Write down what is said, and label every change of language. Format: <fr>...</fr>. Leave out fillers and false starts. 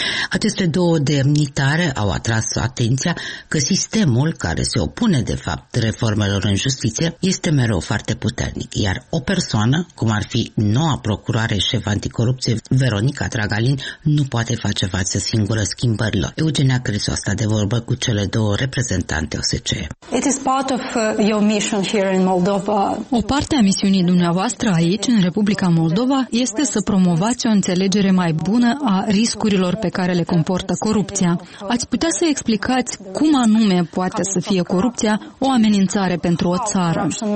<ro>aceste două demnitare au atras atenția că sistemul care se opune de fapt reformelor în justiție este mereu foarte puternic, iar o persoană, cum ar fi noua procuroare șef anticorupție Veronica Dragalin, nu poate face față singură schimbărilor. Eugenia Crisu a stat de vorbă cu cele două reprezentante OSCE.</ro> <en>It is part of your mission here in Moldova.</en> <ro>O parte a misiunii dumneavoastră aici în Republica Moldova este să promovați o înțelegere mai bună a riscurilor pe care le comportă corupția. Ați putea să explicați cum anume poate să fie corupția o amenințare pentru o țară?</ro>